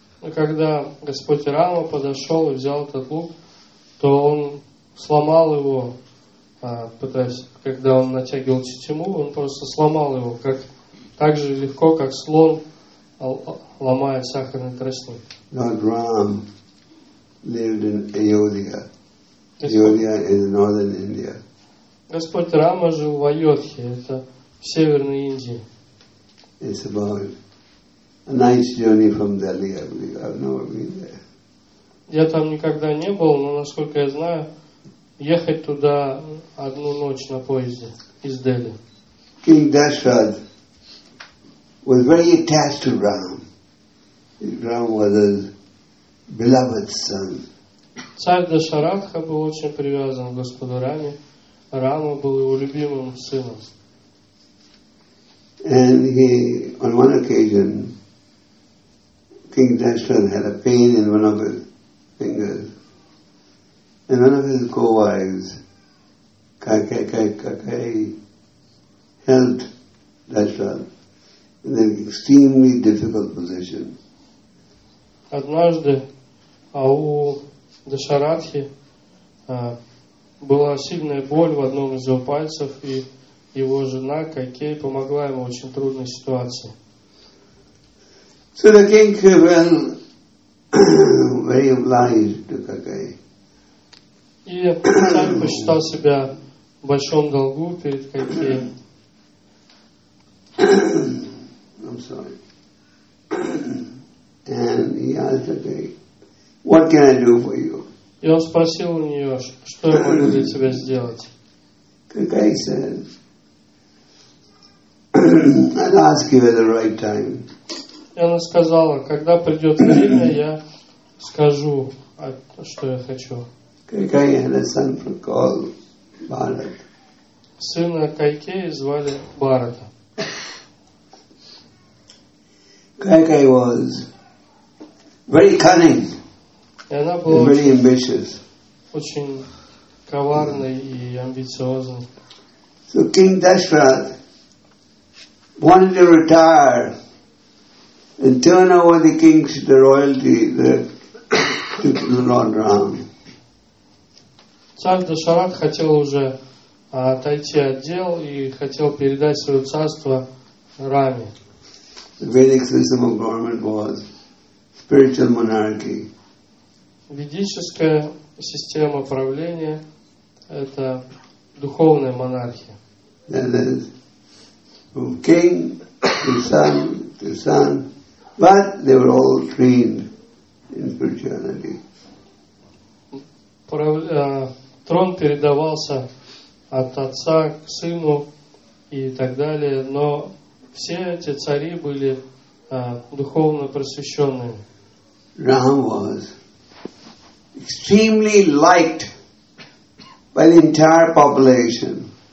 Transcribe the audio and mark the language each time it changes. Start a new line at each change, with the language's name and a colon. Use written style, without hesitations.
Russian: Но когда Господь Рама подошел и взял этот лук, то он сломал его, пытаясь, когда он натягивал тетиву, он просто сломал его, как так же легко, как слон ломает сахарный тростник.
English: Lord Ram lived in Ayodhya. Ayodhya is northern India.
Russian: Господь Рама жил в Айодхе, это в северной Индии.
English: It's about a nice journey from Delhi, I believe. I've never been there.
Russian: Я там никогда не был, но насколько я знаю, ехать туда одну ночь на поезде из Дели.
English: King Dashrath was very attached to Ram. Ram was his beloved son.
Russian: Царь Дашаратха был очень привязан к Господу Раме. Рама был его любимым сыном.
English: And he, on one occasion, King Dashrath had a pain in one of his fingers. And one of his co-wives, Kaikeyi, helped Dashrath in an extremely difficult position.
Russian: Однажды у Дашаратхи была сильная боль в одном из его пальцев, и его жена Кайкеи помогла ему в очень трудной ситуации.
English: So the king felt very obliged to Kaikeyi.
Russian: И царь посчитал себя в большом долгу перед Кайкеи.
English: I'm sorry. And he asked Kaikeyi, "What can I do for you?"
Russian: И он спросил у нее, что я могу для тебя сделать.
English: Kaikeyi said, "I'll ask you at the right time."
Russian: И она сказала, когда придет время, я скажу, что я хочу.
English: Kaikeyi had a son called Bharat.
Russian: Сына Кайкеи звали Бхарата.
English: Kaikeyi was very cunning.
Russian: И она была
English: and very ambitious.
Russian: Очень коварной и амбициозной.
English: So King Dashrath wanted to retire and turn over the king's the royalty to Lord Ram.
Russian: Царь Дашаратха хотел уже отойти от дел и хотел передать свое царство Раме.
English: The Vedic system of government was spiritual monarchy.
Russian: Ведическая система правления – это духовная монархия.
English: That is, from king to son to son, but they were all trained in spirituality.
Russian: Трон передавался от отца к сыну и так далее, но все эти цари были духовно просвещенными.
English: Ram was extremely liked by the entire population.